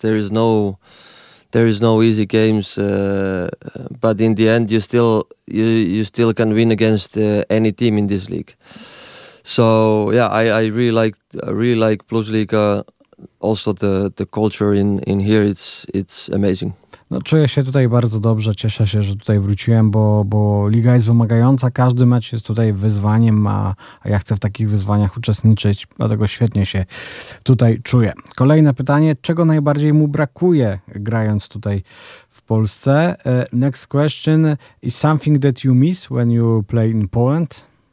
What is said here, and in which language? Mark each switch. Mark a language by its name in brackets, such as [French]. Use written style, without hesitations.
[English] There is no easy games, but in the end you still can win against any team in this league. So yeah, I really like Plus Liga. Also the culture in here it's amazing. [Polish] No, czuję się tutaj bardzo dobrze, cieszę się, że tutaj wróciłem, bo liga jest wymagająca, każdy mecz jest tutaj wyzwaniem, a ja chcę w takich wyzwaniach uczestniczyć, dlatego świetnie się tutaj czuję. Kolejne pytanie, czego najbardziej mu brakuje grając tutaj w Polsce? [English] Next question, is something that you miss when you play in Poland?